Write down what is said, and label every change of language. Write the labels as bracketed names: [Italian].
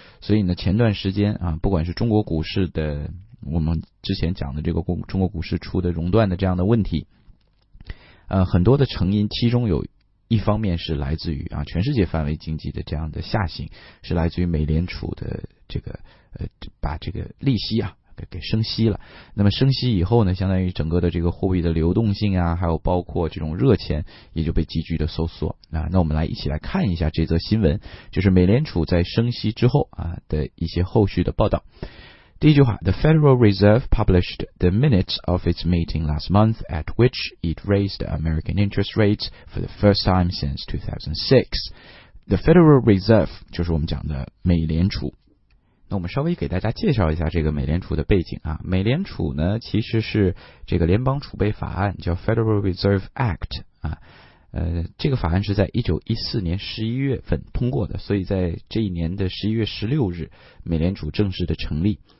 [Chinese] 所以呢，前段时间啊，不管是中国股市的，我们之前讲的这个中国股市出的熔断的这样的问题，很多的成因，其中有一方面是来自于啊全世界范围经济的这样的下行，是来自于美联储的这个把这个利息啊给升息了。那么升息以后呢，相当于整个的这个货币的流动性啊，还有包括这种热钱也就被急剧的收缩啊。那我们来一起来看一下这则新闻，就是美联储在升息之后啊的一些后续的报道。第一句话， [English] The Federal Reserve published the minutes of its meeting last month at which it raised American interest rates for the first time since 2006. [Chinese] The Federal Reserve 就是我们讲的美联储。那我们稍微给大家介绍一下这个美联储的背景啊。美联储呢，其实是这个联邦储备法案，叫 Federal Reserve Act 啊。这个法案是在1914年11月份通过的，所以在这一年的11月16日，美联储正式的成立。